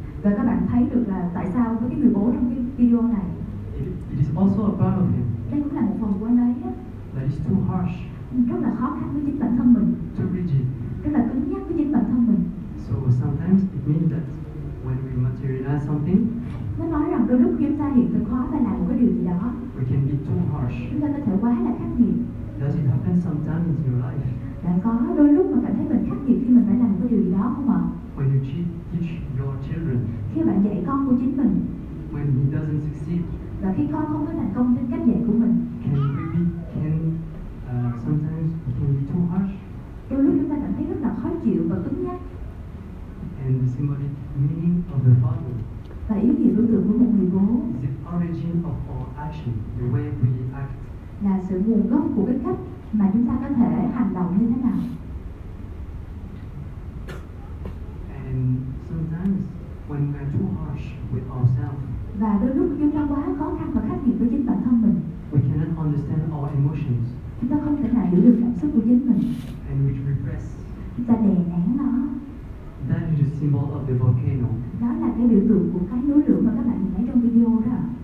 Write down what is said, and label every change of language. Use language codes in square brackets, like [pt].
[vi] Và các bạn thấy được là tại sao có cái người bố trong cái video này. [en] It is also a part of him. [vi] Đây cũng là một phần của anh ấy. [en] That is too harsh. [vi] Rất là khó khăn với chính bản thân mình. [en] Too rigid. [vi] Rất là cứng nhắc với chính bản thân mình. [en] So sometimes it means that when we materialize something. [vi] Nó nói rằng đôi lúc chúng ta hiện thực hóa và làm một cái điều gì đó. [en] We can be too harsh. [vi] Chúng ta có thể quá là khắc nghiệt. [en] Does it happen sometimes in your life? [vi] Đã có đôi lúc mà cảm thấy mình khắc nghiệt khi mình phải làm cái điều gì đó không ạ? [en] When you teach your children. [vi] Khi bạn dạy con của chính mình. [en] When he doesn't succeed. [vi] Và khi con không có thành công trên cách dạy của mình. [en] Sometimes it can be too harsh. [vi] Đôi lúc chúng ta cảm thấy rất là khó chịu và cứng nhắc. [en] And the symbolic meaning of the father. [vi] Và ý nghĩa đối tượng của một người bố. [en] The origin of our action, the way we act. [vi] Là sự nguồn gốc của cái cách mà chúng ta có thể hành động như thế nào. [en] And sometimes when we are too harsh with ourselves. [vi] Và đôi lúc chúng ta quá khó khăn và khắc nghiệt với chính bản thân mình. [en] We cannot understand our emotions. [vi] Chúng ta không thể nào hiểu được cảm xúc của chính mình. [en] And we repress. [vi] Chúng ta đè nén nó. [en] That is the symbol of the volcano. [vi] Đó là cái biểu tượng của cái núi lửa mà các bạn nhìn thấy trong video đó.